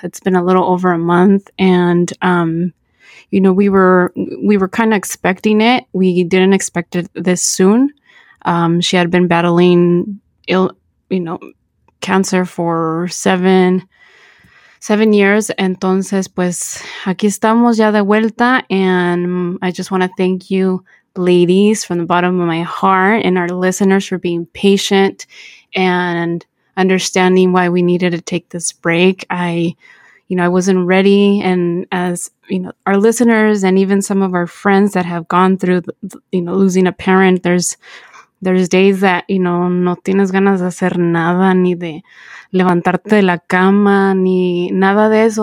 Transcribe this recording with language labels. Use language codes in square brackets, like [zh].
[en] It's been a little over a month, and you know, we were kind of expecting it. We didn't expect it this soon. She had been battling cancer for seven years. [es] Entonces, pues, aquí estamos ya de vuelta. [en] And I just want to thank you ladies from the bottom of my heart and our listeners for being patient and understanding why we needed to take this break. I wasn't ready. And as, you know, our listeners and even some of our friends that have gone through, losing a parent, there's days that, you know, [es] no tienes ganas de hacer nada ni de levantarte de la cama ni nada de eso.